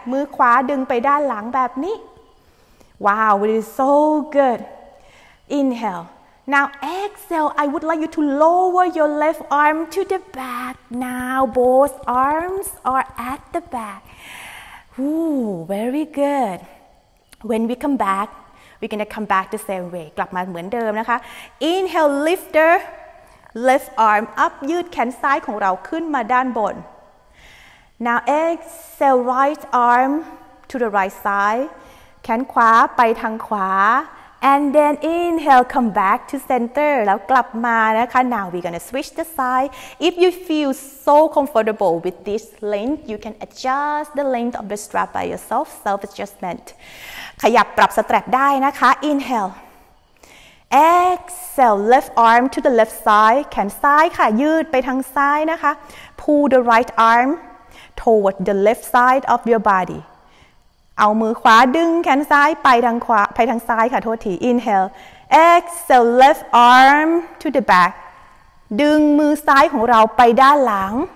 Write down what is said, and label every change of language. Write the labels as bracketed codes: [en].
[th] มือขวาดึงไปด้านหลังแบบนี้ [en] Wow, it is so good. Inhale. Now exhale, I would like you to lower your left arm to the back. Now both arms are at the back. Ooh, very good. When we come back, we're gonna come back the same way. [th] กลับมาเหมือนเดิมนะคะ [en] Inhale, lifterLift arm up, [th] ยืดแขนซ้ายของเราขึ้นมาด้านบน [en] Now exhale, right arm to the right side. [th] แขนขวาไปทางขวา [en] And then inhale, come back to center. [th] แล้วกลับมานะคะ [en] Now we're gonna switch the side. If you feel so comfortable with this length, you can adjust the length of the strap by yourself. Self adjustment. [th] ขยับปรับสแตรปได้นะคะ [en] Inhale. Exhale, left arm to the left side. [th] แขนซ้ายค่ะยืดไปทางซ้ายนะคะ [en] Pull the right arm toward the left side of your body. [th] เอามือขวาดึงแขนซ้ายไปทางขวาไปทางซ้ายค่ะโทษที [en] Inhale Exhale left arm to the back [th] ดึงมือซ้ายของเราไปด้านหลัง